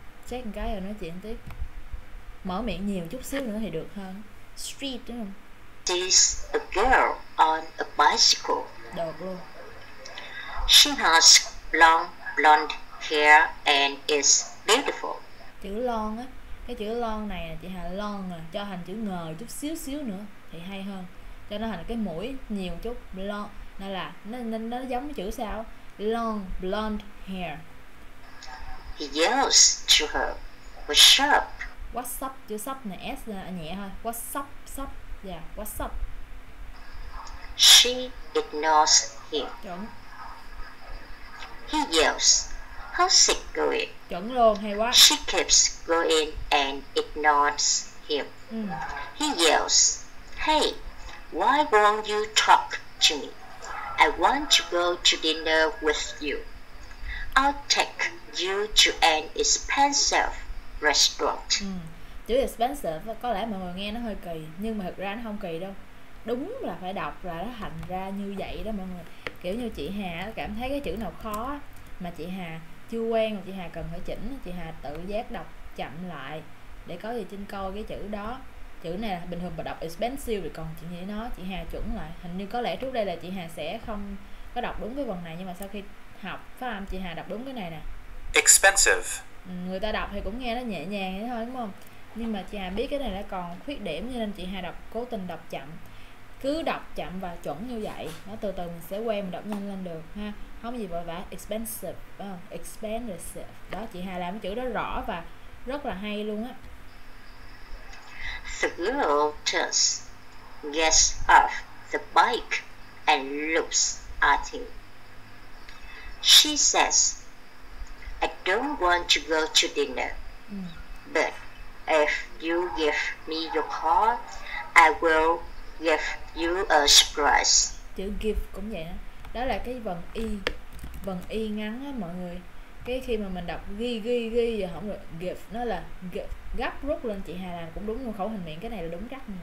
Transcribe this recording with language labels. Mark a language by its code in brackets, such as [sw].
[vi] Check một cái rồi nói chuyện tiếp. Mở miệng nhiều chút xíu nữa thì được hơn. Street đúng không? [en] There's a girl on a bicycle. [vi] Được luôn. [en] She has long blonde hair and is beautiful. [vi] Chữ long á, cái chữ long này là chị Hà long à, cho thành chữ ngờ chút xíu xíu nữa thì hay hơn. Cho nó thành cái mũi nhiều chút long, nên là nó giống chữ sao? [en] Long blonde hair. He yells to her, "What's up?" What's up? [vi] Chữ sup này s là nhẹ thôi. [en] What's up? Sup. Yeah, what's up? She ignores him. [vi] Chuẩn. [en] He yells, "How's it going?" [vi] Chuẩn luôn, hay quá. [en] She keeps going and ignores him. He yells, "Hey, why won't you talk to me? I want to go to dinner with you. I'll take you to an expensive restaurant." [vi] Chữ expensive có lẽ mọi người nghe nó hơi kỳ, nhưng mà thực ra nó không kỳ đâu. Đúng là phải đọc là nó thành ra như vậy đó mọi người. Kiểu như chị Hà cảm thấy cái chữ nào khó mà chị Hà chưa quen, chị Hà cần phải chỉnh, chị Hà tự giác đọc chậm lại để có gì trên coi cái chữ đó. Chữ này là bình thường mà đọc expensive thì còn chị nghĩ nó, chị Hà chuẩn lại. Hình như có lẽ trước đây là chị Hà sẽ không có đọc đúng cái vần này, nhưng mà sau khi học phát âm chị Hà đọc đúng cái này nè. [en] Expensive. [vi] Người ta đọc thì cũng nghe nó nhẹ nhàng thế thôi đúng không? Nhưng mà chị Hà biết cái này nó còn khuyết điểm cho nên chị Hà đọc cố tình đọc chậm. Cứ đọc chậm và chuẩn như vậy, nó từ từ mình sẽ quen, mình đọc nhanh lên được ha. Không gì vội vã. Expensive. Expensive. Đó, chị Hà làm cái chữ đó rõ và rất là hay luôn á. [en] The girl turns, gets off the bike and looks at him. She says, "I don't want to go to dinner, but if you give me your car, I will give you a surprise." [vi] Chữ give cũng vậy đó. Đó là cái vần y ngắn á mọi người. Cái khi mà mình đọc ghi và không được give, nó là give. Gấp rút lên, chị Hà làm cũng đúng khẩu hình miệng, cái này là đúng chắc.